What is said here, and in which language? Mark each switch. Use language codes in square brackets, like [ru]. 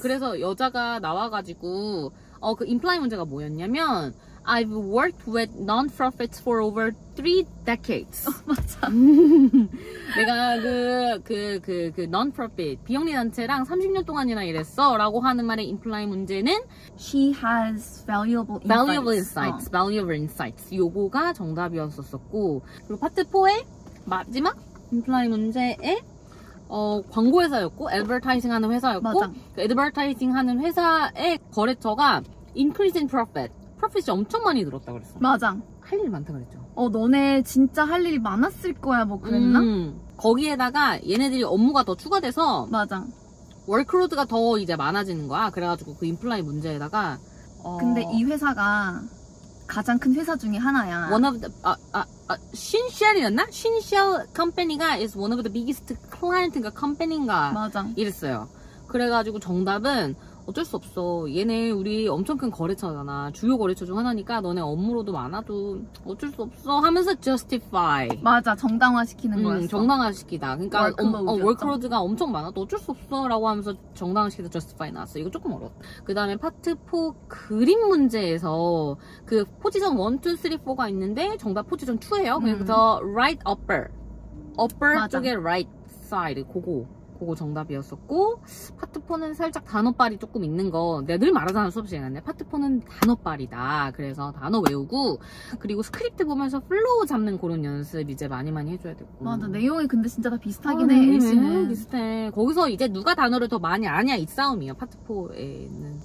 [ko] 그래서 여자가 나와가지고 그 임플라이 문제가 뭐였냐면 [en] I've worked with non-profits for over 3 decades. [ko] 맞아. 내가 그 non-profit 비영리 단체랑 30년 동안이나 일했어라고 하는 말의 임플라이 문제는 [en] She has valuable insights. Valuable insights. [ko] 요거가 정답이었었고 그리고 파트 4의 마지막 임플라이 문제에 광고 회사였고 advertising 하는 회사였고 그 advertising 하는 회사의 거래처가 [en] increasing profit. [ko] profit이 엄청 많이 늘었다 그랬어. 맞아. 할 일이 많다 그랬죠. 너네 진짜 할 일이 많았을 거야 뭐 그랬나? 거기에다가 얘네들이 업무가 더 추가돼서 맞아. 워크로드가 더 이제 많아지는 거야. 그래가지고 그 임플라이 문제에다가 근데 이 회사가 가장 큰 회사 중에 하나야. One of the 신셜이었나? 신셜 컴퍼니가 is one of the biggest client인가 컴퍼니인가 맞아. 이랬어요. 그래가지고 정답은 어쩔 수 없어. 얘네 우리 엄청 큰 거래처잖아. 주요 거래처 중 하나니까 너네 업무로도 많아도 어쩔 수 없어 하면서 justify. 맞아. 정당화시키는 거였어. 정당화시키다. 그러니까 워크로드가 엄청 많아도 어쩔 수 없어 라고 하면서 정당화시키다 justify 나왔어. 이거 조금 어려워. 그 다음에 파트 4 그림 문제에서 그 포지션 1, 2, 3, 4가 있는데 정답 포지션 2예요. 그래서 right upper. upper 맞아. 쪽에 right side. 그거. 그거 정답이었었고 파트 4는 살짝 단어빨이 조금 있는 거 내가 늘 말하잖아 수업 시간에 파트 4는 단어빨이다 그래서 단어 외우고 그리고 스크립트 보면서 플로우 잡는 그런 연습 이제 많이 많이 해줘야 되고 맞아 내용이 근데 진짜 다 비슷하긴 해 네, 비슷해 거기서 이제 누가 단어를 더 많이 아냐 이 싸움이에요 파트 4에는